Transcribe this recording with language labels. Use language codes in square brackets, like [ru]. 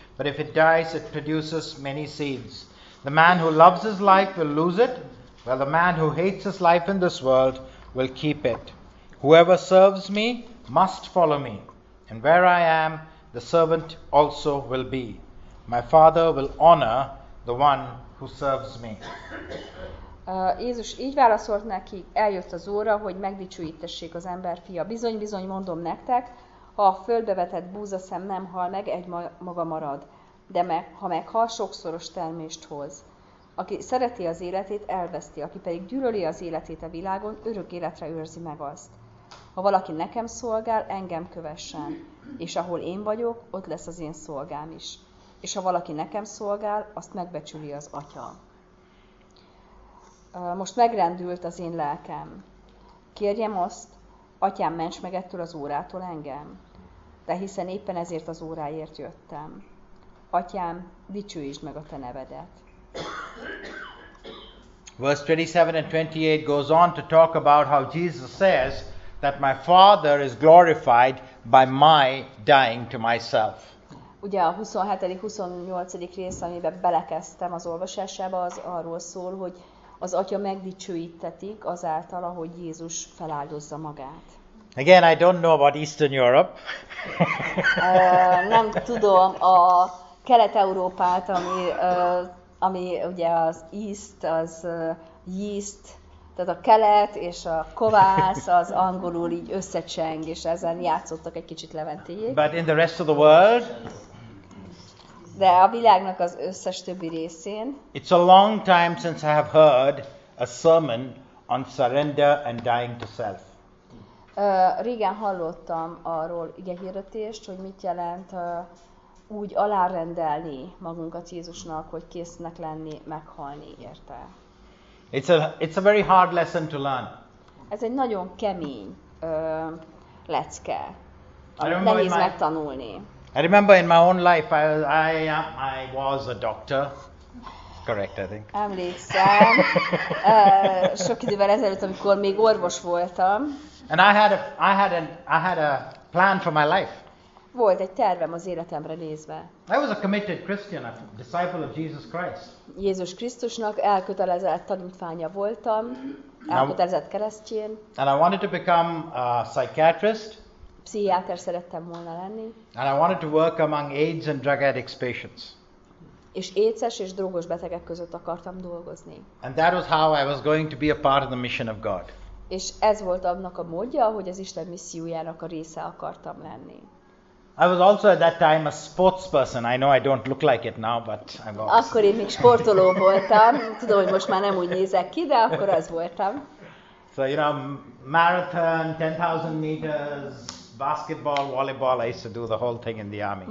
[en] But if it dies, it produces many seeds. The man who loves his life will lose it, while the man who hates his life in this world will keep it. Whoever serves me must follow me. And where I am, the servant also will be. My Father will honor the one who serves me. [hu] Jézus így válaszolt neki, eljött az óra, hogy megdicsőítessék az ember fia. Bizony-bizony mondom nektek, ha a földbe vetett búzaszem nem hal meg, egy maga marad. De ha meghal, sokszoros termést hoz. Aki szereti az életét, elveszti. Aki pedig gyűlöli az életét a világon, örök életre őrzi meg azt. Ha valaki nekem szolgál, engem kövessen. És ahol én vagyok, ott lesz az én szolgám is. És ha valaki nekem szolgál, azt megbecsüli az atya. Most megrendült az én lelkem. Kérjem azt, atyám, ments meg ettől az órától engem. De hiszen éppen ezért az óráért jöttem. Atyám, dicsőítsd meg a te nevedet. [en] Verse 27 and 28 goes on to talk about how Jesus says that my Father is glorified by my dying to myself. [hu] Ugye a 27-28. Rész, amiben belekezdtem az olvasásába, az arról szól, hogy az Atya megdicsőítetik azáltal, ahogy Jézus feláldozza magát. [en] Again, I don't know about Eastern Europe. [hu] Nem tudom a Kelet-Európát, ami ugye az [en] east, [hu] az [en] yeast, [hu] tehát a kelet és a kovász az angolul így összecseng, és ezen játszottak egy kicsit Leventéjék. [en] But in the rest of the world, [hu] de a világnak az összes többi részén. [en] It's a long time since I have heard a sermon on surrender and dying to self. [hu] Régen hallottam arról igehirdetést, hogy mit jelent úgy alárendelni magunkat Jézusnak, hogy késznek lenni meghalni érte. [en] It's a very hard lesson to learn. [hu] Ez egy nagyon kemény lecke, amit nehéz megtanulni. [en] I remember in my own life I was a doctor. It's correct, I think. [hu] Emlékszem. Sok idővel ezelőtt, amikor még orvos voltam. [en] And I had a plan for my life. [hu] Volt egy tervem az életemre nézve. [en] I was a committed Christian, a disciple of Jesus Christ. [hu] Jézus Krisztusnak elkötelezett tanítványa voltam, elkötelezett keresztjén. [en] And I wanted to become a psychiatrist. [hu] Pszichiáter szerettem volna lenni. [en] And I wanted to work among AIDS and drug addicts patients. [hu] És AIDS-es és drogos betegek között akartam dolgozni. [en] And that was how I was going to be a part of the mission of God. [hu] És ez volt annak a módja, hogy az Isten missziójának a része akartam lenni. [en] I was also at that time a sportsperson. I know I don't look like it now, but I was. [hu] Akkor én még sportoló voltam. Tudom, hogy most már nem úgy nézek ki, de akkor az voltam. [en] So, you know, marathon, 10,000 meters, basketball, volleyball, I used to do the whole thing in the army.